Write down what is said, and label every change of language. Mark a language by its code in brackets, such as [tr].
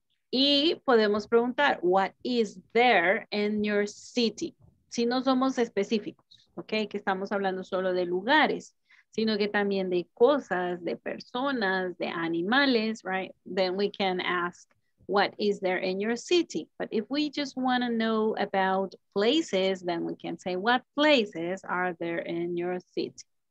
[es] Y podemos preguntar [en] what is there in your city? [es] Si no somos específicos, ¿ok? Que estamos hablando solo de lugares, sino que también de cosas, de personas, de animales, right? [en] Then we can ask, what is there in your city? But if we just want to know about places, then we can say, what places are there in your city?